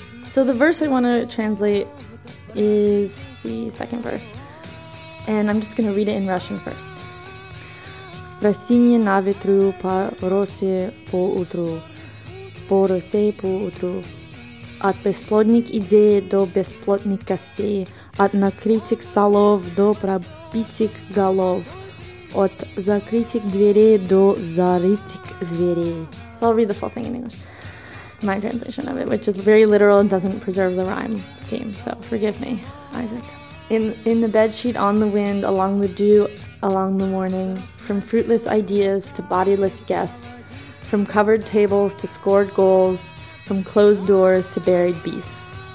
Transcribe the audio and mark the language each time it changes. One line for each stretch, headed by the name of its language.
English: So the verse I want to translate is the second verse, and I'm just going to read it in Russian first.
Russian: Росине на ветру по росе по утру, по росе по утру. От бесплодных идей до бесплодных костей, от накрытых столов до пробитых голов, от закрытых дверей до зарытых зверей.
English: So I'll read this whole thing in English. My translation of it, which is very literal and doesn't preserve the rhyme scheme, so forgive me, Isaac. In the bedsheet, on the wind, along the dew, along the morning, from fruitless ideas to bodiless guests, from covered tables to scored goals, from closed doors to buried beasts.